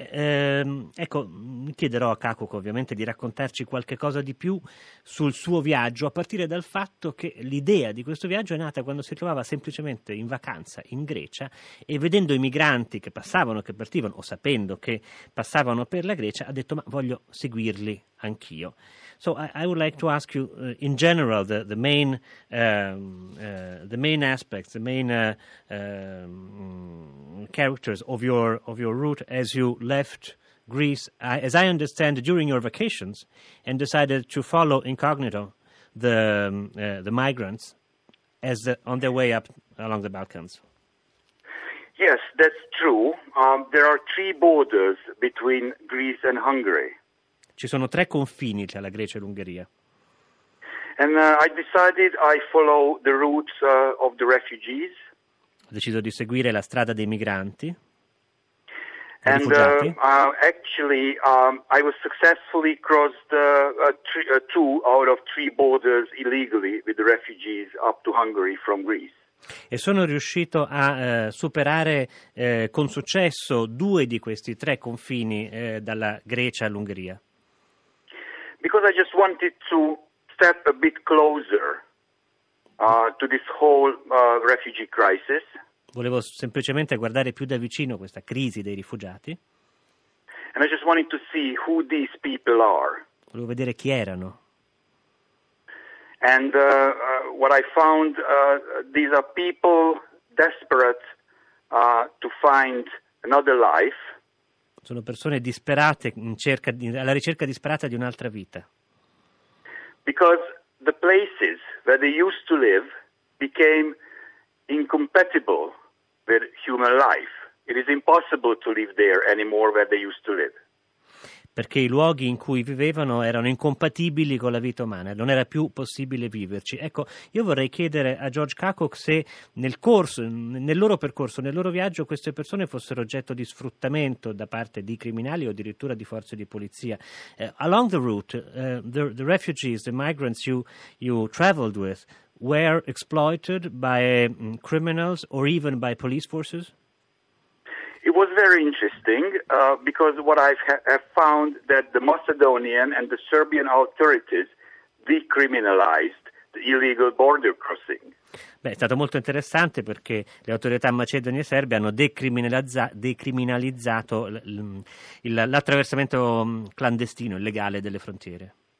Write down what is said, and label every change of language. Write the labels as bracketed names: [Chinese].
[Italian] Ecco, chiederò a Kakuk ovviamente di raccontarci qualche cosa di più sul suo viaggio, a partire dal fatto che l'idea di questo viaggio è nata quando si trovava semplicemente in vacanza in Grecia e, vedendo i migranti che passavano, che partivano, o sapendo che passavano per la Grecia, ha detto: ma voglio seguirli anch'io. [English] So I would like to ask you in general the main characters of your route as you left Greece, as I understand, during your vacations and decided to follow incognito the migrants on their way up along the Balkans. Yes, that's true. There are 3 borders between Greece and Hungary. [Italian] Ci sono 3 confini tra la Grecia e l'Ungheria. [English] And I decided I follow the routes of the refugees. [Italian] Ho deciso di seguire la strada dei migranti. [English] And I was successfully crossed 2 out of 3 borders illegally with the refugees up to Hungary from Greece. [Italian] E sono riuscito a superare con successo 2 di questi 3 confini dalla Grecia all'Ungheria. [English] Because I just wanted to step a bit closer to this whole refugee crisis. [Italian] Volevo semplicemente guardare più da vicino questa crisi dei rifugiati. [English] And I just wanted to see who these people are. [Italian] Volevo vedere chi erano. [English] And what I found, these are people desperate to find another life. [Italian] Sono persone disperate alla ricerca disperata di un'altra vita. [English] Because the places where they used to live became incompatible with human life. It is impossible to live there anymore where they used to live. [Italian] Perché i luoghi in cui vivevano erano incompatibili con la vita umana, non era più possibile viverci. Ecco, io vorrei chiedere a George Kakuk se nel loro viaggio, queste persone fossero oggetto di sfruttamento da parte di criminali o addirittura di forze di polizia. [English] Along the route, the refugees, the migrants you traveled with, were exploited by criminals or even by police forces? It was very interesting because what I have found that the Macedonian and the Serbian authorities decriminalized the illegal border crossing. [Italian] Beh, è stato molto interessante perché le autorità macedoni e serbe hanno decriminalizzato l'attraversamento clandestino, illegale delle frontiere.